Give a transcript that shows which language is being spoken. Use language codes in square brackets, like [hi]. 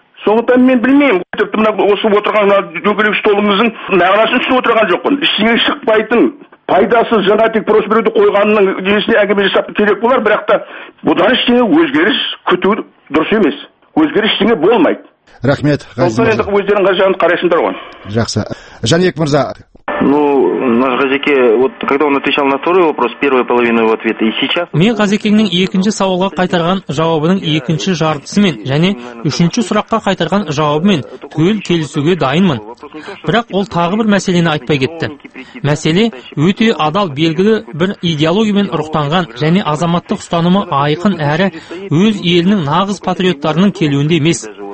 [kk] Сондықтан мен білмеймін, тіпті мына осы отырған дөңгелек столымыздың мағынасын түсініп отырған жоқпын. Ештеңе шықпайтын пайдасыз жаңа тек просберуді қойғанның несіне әңгіме жасап керек болар, бірақ та бұдан ештеңе өзгеріс күту дұрыс емес. Өзгеріс ештеңе болмайды. Рахмет. Енді өздерің жағын қарайсыңдар ғой. Жақсы. Жәнібек мырза. [ru] Ну, наш Газике, вот когда он отвечал на второй вопрос, первую половину его ответа, и сейчас... [kk] Мен Газикенің екінші сауалға қайтарған жауабының екінші жартысымен, және үшінші сұраққа қайтарған жауабымен түгел келісуге дайынмын. Бірақ ол тағы бір мәселені айтпай кетті. Мәселе өте адал белгілі бір идеологиямен рухтанған және азаматтық ұстанымы айқын әрі өз елінің нағыз патриоттарының келуінде емес.